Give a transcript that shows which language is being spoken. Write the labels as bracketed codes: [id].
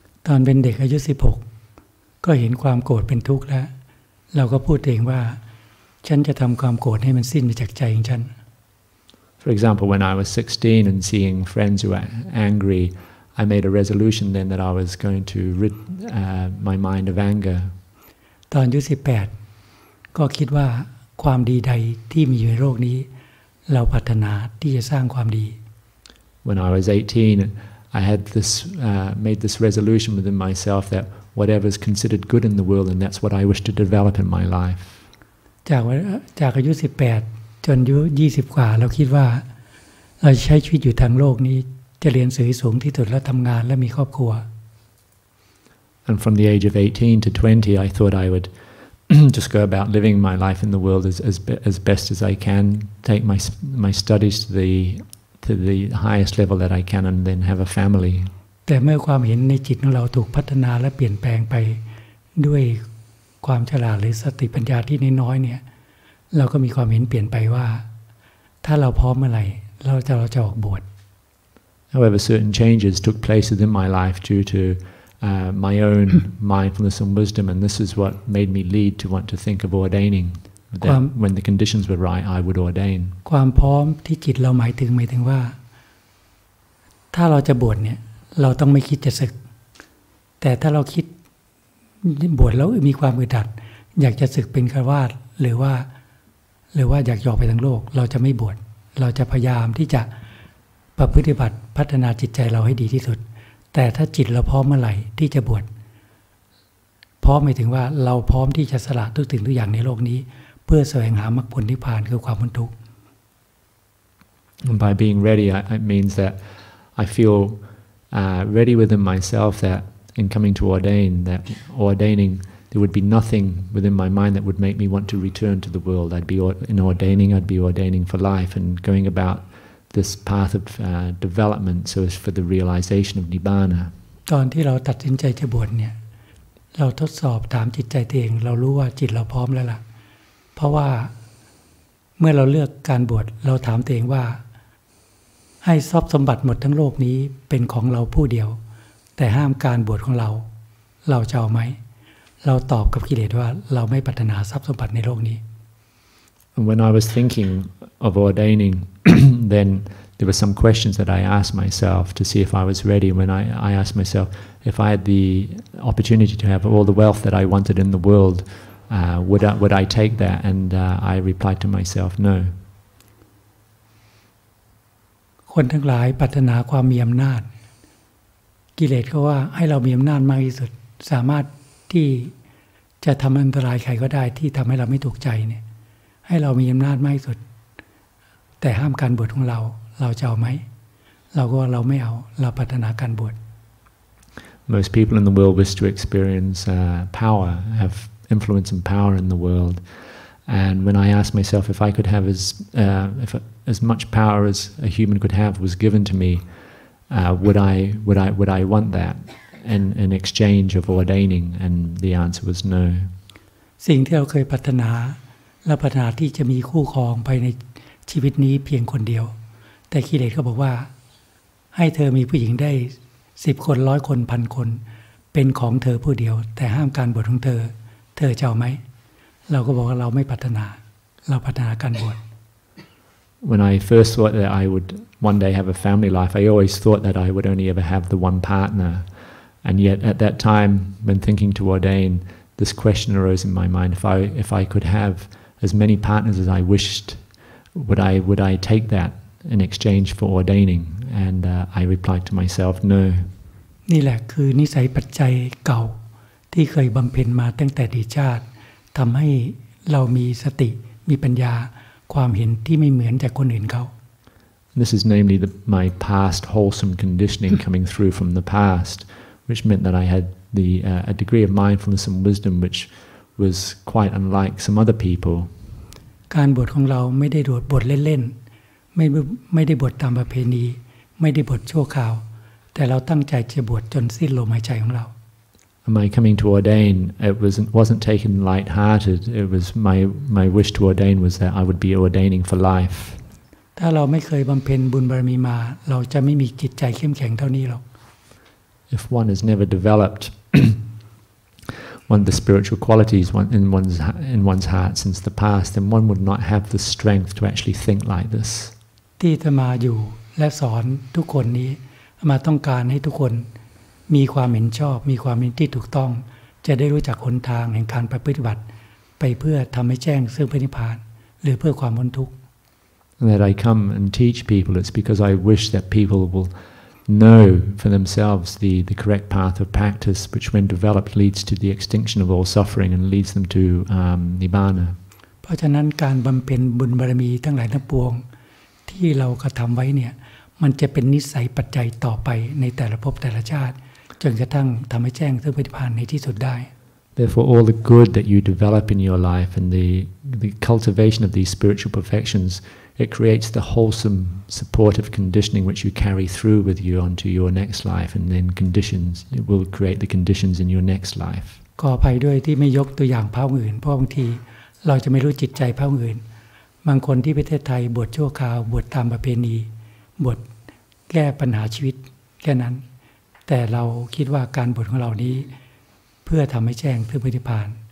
[th] ตอนเป็นเด็กอายุ16ก็เห็นความโกรธเป็นทุกข์แล้วเราก็พูดเองว่าฉันจะทำความโกรธให้มันสิ้นไปจากใจของฉัน [en] For example, when I was 16 and seeing friends who were angryI made a resolution then that I was going to rid my mind of anger. [th] ตอนอายุ18ก็คิดว่าความดีใดที่มีอยู่ในโลกนี้เราปรารถนาที่จะสร้างความดี [en] When I was 18 I had made this resolution within myself that whatever is considered good in the world and that's what I wish to develop in my life. [th] จากอายุ18จนอายุ20กว่าเราคิดว่าเราใช้ชีวิตอยู่ทางโลกนี้ จะเรียนสูงสูงที่สุดและทำงานและมีครอบครัว [en] And from the age of 18 to 20 I thought I would just go about living my life in the world as best as I can take my studies to the highest level that I can and then have a family [th] แต่เมื่อความเห็นในจิตของเราถูกพัฒนาและเปลี่ยนแปลงไปด้วยความฉลาดหรือสติปัญญาที่น้อยๆเนี่ยเราก็มีความเห็นเปลี่ยนไปว่าถ้าเราพร้อมเมื่อไหร่เราจะออกบวช [en] However certain changes took place in my life due to my own mindfulness and wisdom and this is what made me lead to want to think of ordaining that when the conditions were right I would ordain [th] ความพร้อมที่จิตเราหมายถึงว่าถ้าเราจะบวชเนี่ยเราต้องไม่คิดจะศึกแต่ถ้าเราคิดบวชแล้วมีความอึดอัดอยากจะศึกเป็นฆราวาสหรือว่าอยากย่อไปทั้งโลกเราจะไม่บวชเราจะพยายามที่จะประพฤติบัติพัฒนาจิตใจเราให้ดีที่สุดแต่ถ้าจิตเราพร้อมเมื่อไหร่ที่จะบวช พร้อมหมายถึงว่าเราพร้อมที่จะสละทุกสิ่งทุกอย่างในโลกนี้เพื่อแสวงหามรรคผลนิพพานคือความพ้นทุกข์ [en] By being ready it means that I feel ready within myself that in coming to ordain that ordaining there would be nothing within my mind that would make me want to return to the world I'd be ordaining for life and going aboutThis path of development, so as for the realization of nibbana. [th] ตอนที่เราตัดสินใจจะบวชเนี่ยเราทดสอบถามจิตใจตัวเองเรารู้ว่าจิตเราพร้อมแล้วล่ะเพราะว่าเมื่อเราเลือกการบวชเราถามตัวเองว่าให้ทรัพย์สมบัติหมดทั้งโลกนี้เป็นของเราผู้เดียวแต่ห้ามการบวชของเราจะเอาไหมเราตอบกับกิเลสว่าเราไม่ปรารถนาทรัพย์สมบัติในโลกนี้ [en] And when I was thinking of ordainingthen there were some questions that I asked myself to see if I was ready. When I asked myself, if I had the opportunity to have all the wealth that I wanted in the world, would I take that? And I replied to myself, no. [th] คนทั้งหลายปรารถนาความมีอำนาจกิเลสเขาว่าให้เรามีอำนาจมากที่สุดสามารถที่จะทำอันตรายใครก็ได้ที่ทำให้เราไม่ถูกใจเนี่ยให้เรามีอำนาจมากที่สุดแต่ห้ามการบวชของเราจะเอาไหมเราก็เราไม่เอาเราปรารถนาการบวช [en] Most people in the world wish to experience power have influence and power in the world and when I asked myself if I could have as much power as a human could have was given to me would I want that in exchange of ordaining and the answer was no [th] สิ่งที่เราเคยปรารถนาเราปรารถนาที่จะมีคู่ครองไปในชีวิตนี้เพียงคนเดียวแต่กิเลสก็บอกว่าให้เธอมีผู้หญิงได้10คน100คน1000คนเป็นของเธอผู้เดียวแต่ห้ามการบวชของเธอจะเอามั้ยเราก็บอกว่าเราไม่ปรารถนาเราปรารถนาการบวช [en] When I first thought that I would one day have a family life I always thought that I would only ever have the one partner and yet at that time when thinking to ordain this question arose in my mind if I could have as many partners as I wishedWould I take that in exchange for ordaining? And I replied to myself, no. [th] นี่แหละคือนิสัยปัจจัยเก่าที่เคยบำเพ็ญมาตั้งแต่อดีตชาติทำให้เรามีสติมีปัญญาความเห็นที่ไม่เหมือนจากคนอื่นเขา [en] This is namely my past wholesome conditioning coming through from the past, which meant that I had a degree of mindfulness and wisdom which was quite unlike some other people. [th] การบวชของเราไม่ได้บวชเล่นๆไม่ได้บวชตามประเพณีไม่ได้บวชชั่วคราวแต่เราตั้งใจจะบวชจนสิ้นลมหายใจของเรา [en] Am I coming to ordain it wasn't taken light-hearted it was my wish to ordain was that I would be ordaining for life [th] ถ้าเราไม่เคยบำเพ็ญบุญบารมีมาเราจะไม่มีจิตใจเข้มแข็งเท่านี้หรอก [en] If one has never developedOne of the spiritual qualities in one's heart since the past, then one would not have the strength to actually think like this. [th] ที่จะมาอยู่และสอนทุกคนนี้มาต้องการให้ทุกคนมีความเห็นชอบมีความเห็นที่ถูกต้องจะได้รู้จักหนทางแห่งการปฏิบัติไปเพื่อทำให้แจ้งซึ่งพระนิพพานหรือเพื่อความพ้นทุกข์ [en] That I come and teach people, it's because I wish that people will. Know for themselves the correct path of practice, which when developed leads to the extinction of all suffering and leads them to nibbana. [th] เพราะฉะนั้นการบำเพ็ญบุญบารมีทั้งหลายทั้งปวงที่เรากระทำไว้เนี่ย มันจะเป็นนิสัยปัจจัยต่อไปในแต่ละภพแต่ละชาติจนกระทั่งทำให้แจ้งซึ่งปฏิภาณในที่สุดได้ [en] Therefore all the good that you develop in your life and the cultivation of these spiritual perfections it creates the wholesome supportive conditioning which you carry through with you onto your next life and then conditions it will create the conditions in your next life [th] ขออภัยด้วยที่ไม่ยกตัวอย่างพระองค์อื่นเพราะบางทีเราจะไม่รู้จิตใจพระองค์อื่นบางคนที่ประเทศไทยบวชชั่วคราวบวชตามประเพณีบวชแก้ปัญหาชีวิตแค่นั้นแต่เราคิดว่าการบวชของเรานี้เพื่อทำให้แจ้งถึงพระนิพพาน